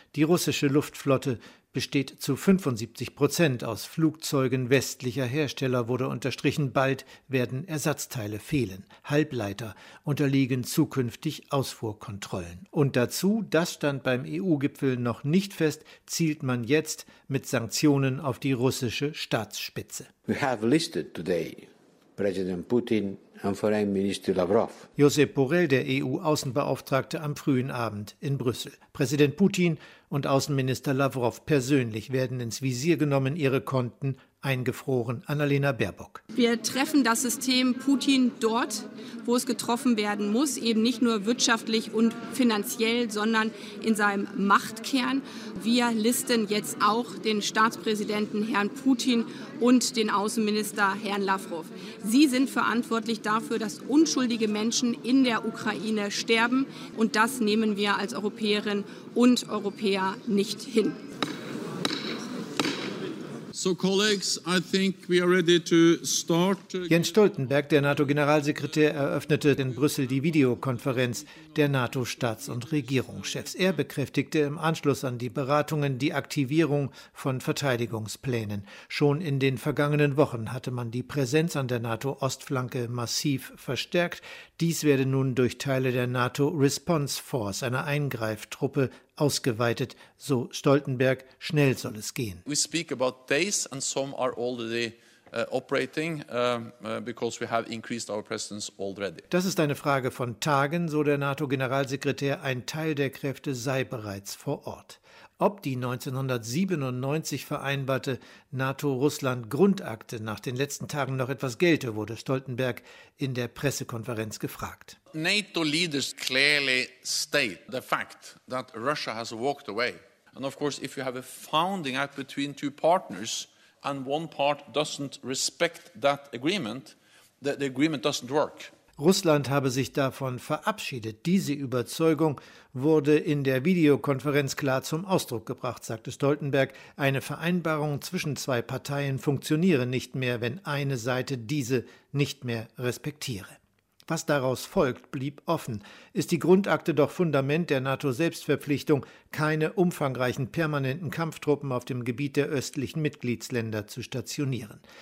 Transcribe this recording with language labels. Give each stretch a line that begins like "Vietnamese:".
German: Die russische Luftflotte besteht zu 75% aus Flugzeugen westlicher Hersteller, wurde unterstrichen. Bald werden Ersatzteile fehlen. Halbleiter unterliegen zukünftig Ausfuhrkontrollen. Und dazu, das stand beim EU-Gipfel noch nicht fest, zielt man jetzt mit Sanktionen auf die russische Staatsspitze.
English: We have listed today President Putin and Foreign Minister Lavrov.
German: Josep Borrell, der EU-Außenbeauftragte, am frühen Abend in Brüssel. Präsident Putin und Außenminister Lavrov persönlich werden ins Visier genommen, ihre Konten eingefroren. Annalena Baerbock. Wir treffen das System Putin dort, wo es getroffen werden muss, eben nicht nur wirtschaftlich und finanziell, sondern in seinem Machtkern. Wir listen jetzt auch den Staatspräsidenten Herrn Putin und den Außenminister Herrn Lavrov. Sie sind verantwortlich dafür, dass unschuldige Menschen in der Ukraine sterben. Und das nehmen wir als Europäerinnen und Europäer nicht hin.
English: So, colleagues, I think we are ready to start.
German: Jens Stoltenberg, der NATO-Generalsekretär, eröffnete in Brüssel die Videokonferenz der NATO-Staats- und Regierungschefs. Er bekräftigte im Anschluss an die Beratungen die Aktivierung von Verteidigungsplänen. Schon in den vergangenen Wochen hatte man die Präsenz an der NATO-Ostflanke massiv verstärkt. Dies werde nun durch Teile der NATO Response Force, einer Eingreiftruppe, ausgeweitet. So Stoltenberg, schnell soll es gehen.
English: We speak about days and some are already operating because we have increased our presence already.
German: Das ist eine Frage von Tagen, so der NATO-Generalsekretär. Ein Teil der Kräfte sei bereits vor Ort. Ob die 1997 vereinbarte NATO-Russland-Grundakte nach den letzten Tagen noch etwas gelte, wurde Stoltenberg in der Pressekonferenz gefragt.
English: NATO leaders clearly state the fact that Russia has walked away. And of course, if you have a founding act between two partners and one part doesn't respect that agreement, the agreement doesn't work.
German: Russland habe sich davon verabschiedet. Diese Überzeugung wurde in der Videokonferenz klar zum Ausdruck gebracht, sagte Stoltenberg. Eine Vereinbarung zwischen zwei Parteien funktioniere nicht mehr, wenn eine Seite diese nicht mehr respektiere. Was daraus folgt, blieb offen. Ist die Grundakte doch Fundament der NATO-Selbstverpflichtung, keine umfangreichen permanenten Kampftruppen auf dem Gebiet der östlichen Mitgliedsländer zu stationieren?